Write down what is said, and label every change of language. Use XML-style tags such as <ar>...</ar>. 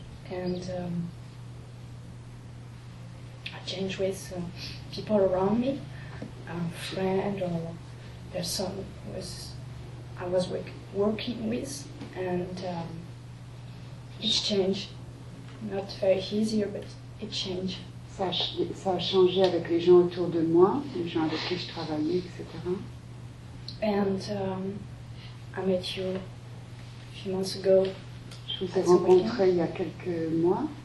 <en>And I change with people around me, a friend or person I was working with, and it changed. Not very easier, but it changed.</en> <fr>Ça a changé avec les gens autour de moi, les gens avec qui je travaillais, etc.</fr> <en>And I met you a few months ago.</en> <fr>Je vous ai rencontré il y a quelques mois.</fr>